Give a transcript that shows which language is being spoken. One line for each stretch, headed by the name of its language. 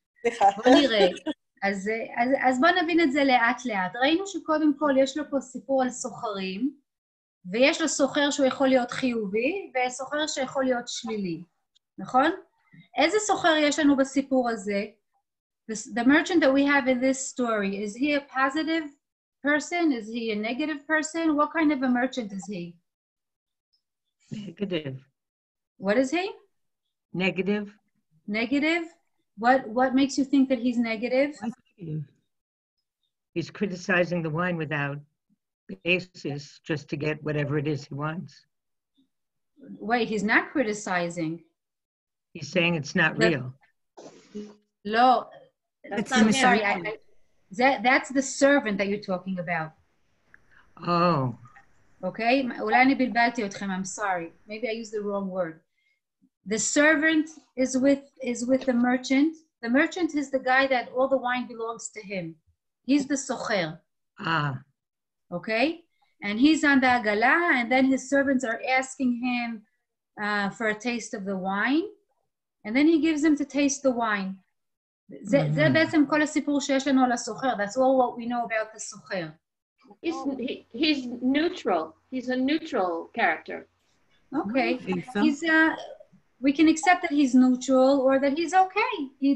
Hebrew: סליחה. בוא נראה. אז בוא נבין את זה לאט לאט. ראינו שקודם כל יש לו פה סיפור על סוחרים, ויש לו סוחר שהוא יכול להיות חיובי, וסוחר שיכול להיות שלילי. נכון? איזה סוחר יש לנו בסיפור הזה?
English: The merchant that we have in this story, is he a positive person? Is he a negative person? What kind of a merchant is he? Negative. What is he? Negative. Negative? What makes you think that he's negative? He's criticizing the wine without basis, just to get whatever it is he wants. Wait, he's not criticizing. He's saying it's not real. No. That's the servant that you're talking about. Oh. Okay?
Hebrew: אולי אני בלבלתי אתכם,
English: I'm sorry. Maybe I used the wrong word. The servant is with the merchant. The merchant is the guy that all the wine belongs to him. He's the socher. Ah. Okay? And he's on the agala, and then his servants are asking him for a taste of the wine. And then he gives him to taste the wine.
Hebrew: זה בעצם כל הסיפור שיש לנו על הסוחר.
English: That's all what we know about the סוחר. He's neutral. He's a neutral character. Okay. We can accept that he's neutral or that he's okay.